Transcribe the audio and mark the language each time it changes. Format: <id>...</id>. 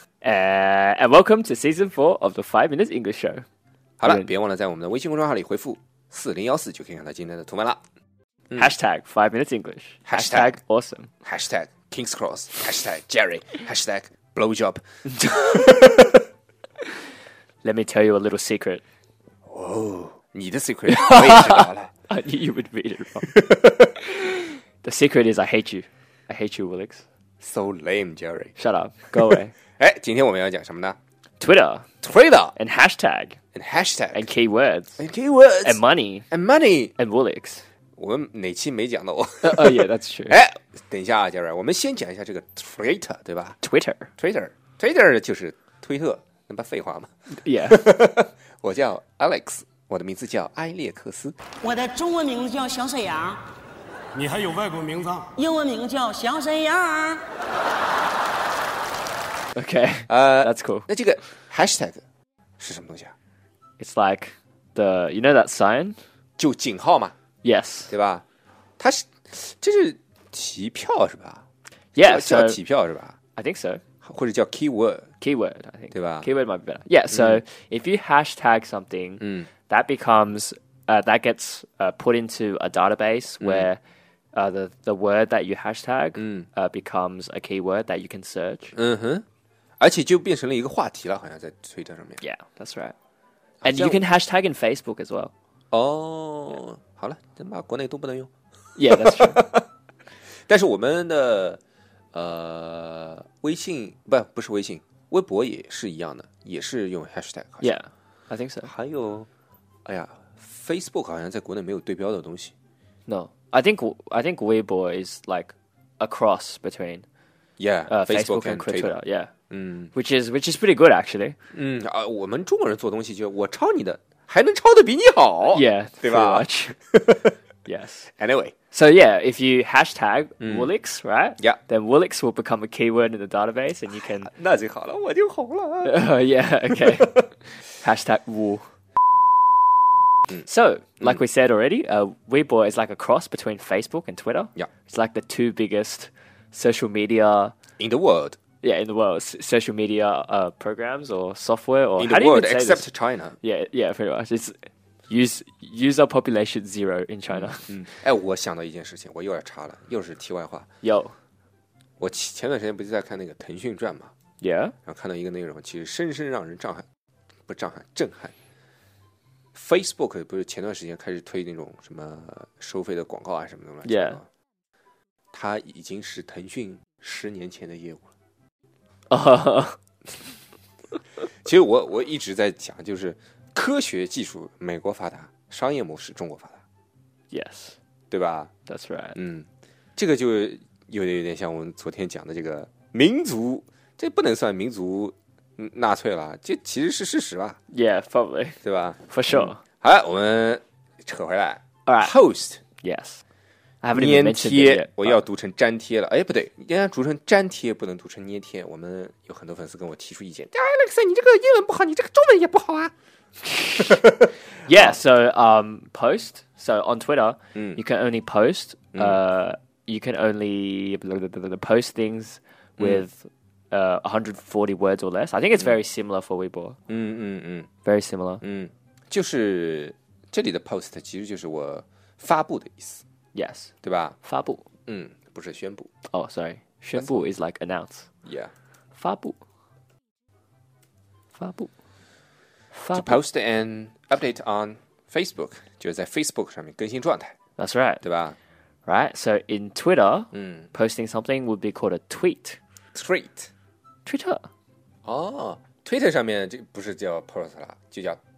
<en>And welcome to season 4 of the 5 Minutes English Show.</en> <zh>好了，别忘了在我们的微信公众号里回复4014就可以看到今天的图文了。</zh> <en>Hashtag 5 Minutes English. Hashtag awesome. Hashtag King's Cross. Hashtag Jerry. Hashtag blowjob. Let me tell you a little secret.</en> <zh>Oh, 你的 secret 我也知道了。</zh> <en>I knew you would read it wrong. The secret is I hate you. I hate you, Alex. So lame, Jerry. Shut up. Go away.</en> <zh>哎，今天我们要讲什么呢</zh> <en>？Twitter, and hashtag, and hashtag, and keywords, and keywords, and money, and money, and Woolix.</en> <zh>我们哪期没讲到我</zh> <en>yeah, that's true.</en> <zh>哎，等一下啊 ，Jerry， 我们先讲一下这个 Twitter， 对吧</zh> <en>？Twitter</en> <zh>就是推特，那不废话吗</zh> <en>？Yeah.</en> <zh>我叫 Alex， 我的名字叫埃列克斯。我的中文名字叫小沈阳。你还有外国名字？英文名叫小沈阳。</zh> <en>Okay, that's cool.</en> <zh>那这个 hashtag 是什么东西啊</zh> <en>？It's like the, you know that sign?</en> <zh>就井号嘛。</zh> <en>Yes.</en> <zh>对吧？它是，这是提票是吧</zh> <en>？Yeah,</en> <zh>叫提票是吧</zh> <en>？I think so.</en> <zh>或者叫 keyword.</zh> <en>Keyword, I think.</en> <zh>对吧</zh> <en>？Keyword might be better. Yeah. So if you hashtag something, that becomes, that gets, put into a database where. The word that you hashtag becomes a keyword that you can search.</en> <zh>嗯哼，而且就变成了一个话题了，好像在推特上面。</zh> <en>Yeah, that's right. And you can hashtag in Facebook as well.</en> <zh>哦、yeah. ，好了，他妈国内都不能用。</zh> <en>Yeah, that's true.</en> <zh>但是我们的微信不是微信，微博也是一样的，也是用 hashtag。</zh> <en>Yeah, I think so.</en> <zh>还有，哎呀 ，Facebook 好像在国内没有对标的东西。</zh> <en>No. I think Weibo is like a cross between Facebook and Twitter. Twitter. Yeah,、嗯、 which is pretty good actually.</en> <zh>嗯啊，我们中国人做东西就我抄你的，还能抄的比你好。</zh> <en>Yeah,</en> <zh>对吧</zh> <en>？Pretty much. Yes. Anyway, so yeah, if you hashtag Woolix, right? Yeah. Then Woolix will become a keyword in the database, and you can. 那就好了，我就红了。 yeah. Okay. Hashtag Wool. So, like we said already, Weibo is like a cross between Facebook and Twitter. Yeah. It's like the two biggest social media... In the world. Yeah, in the world. Social media programs or software or... In the world, except China. Yeah, pretty much. It's user population zero in China.</en> <zh>哎，我想到一件事情，我又要查了，又是题外话。</zh> <en>Yo.</en> <zh>我前段时间不是在看那个腾讯传吗</zh> <en>？Yeah.</en> <zh>然后看到一个内容，其实深深让人震撼。 Facebook 不是前段时间开始推那种什么收费的广告啊什么的吗</zh> <en>？Yeah，</en> <zh>它已经是腾讯10年前的业务了。其实我一直在讲，就是科学技术美国发达，商业模式中国发达。</zh> <en>Yes，</en> <zh>对吧</zh> <en>？That's right。</en> <zh>嗯，这个就有点像我们昨天讲的这个民族，这不能算民族。纳粹了，这其实是事实吧</zh> <en>？Yeah, probably.</en> <zh>对吧</zh> <en>？For sure.、嗯、</en> <zh>好了，我们扯回来。</zh> <en>All right. Host. Yes. I haven't even mentioned it yet.</en> <zh>我要读成粘贴了。哎，不对，应该读成粘贴，不能读成捏贴。我们有很多粉丝跟我提出意见。Alex， 你这个英文不好，你这个中文也不好啊。</zh> <en>Yeah. So, post. So on Twitter, you can only post. You can only post things with. 140 words or less. I think it's very similar for Weibo. 嗯嗯嗯，very similar.</en> <zh>嗯，就是这里的 post 其实就是我发布的意思。</zh> <en>Yes，</en> <zh>对吧？发布。嗯，不是宣布。</zh> <en>Oh, sorry. 宣布 is like announce. Yeah.</en> <zh>发布。发布。</zh> <en>To post an update on Facebook,</en> <zh>就是在 Facebook 上面更新状态。</zh> <en>That's right.</en> <zh>对吧</zh> <en>？Right. So in Twitter,、嗯、 posting something would be called a tweet. Tweet, Twitter,</en> <zh>oh, Twitter 上面这不是叫 post 了，就叫</zh>